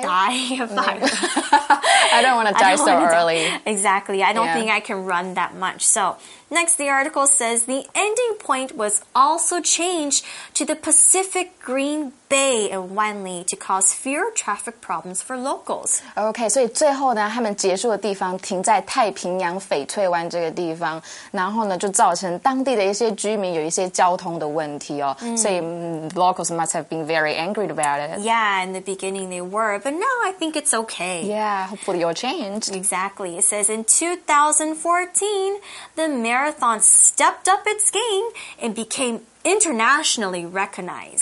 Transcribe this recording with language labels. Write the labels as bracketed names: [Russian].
[English] die. If no. I, I don't want to die so early. Exactly. I don't、yeah. think I can run that much. So next, the article says the ending point was also changed to the Pacific Green Bay in Wanli to cause fewer traffic problems for locals. [Chinese] Okay, 所以最后呢，他们结束的地方停在太平洋翡翠湾这个地方，然后呢，就造成当地的一些居民有一些交通的问题哦。 [English] 所以 locals must have been very angry about it. Yeah, in the beginning they were, but now I think it's okay. Yeah, hopefully you'll change. Exactly. It says in 2014, the marathon stepped up its game and became... internationally recognized.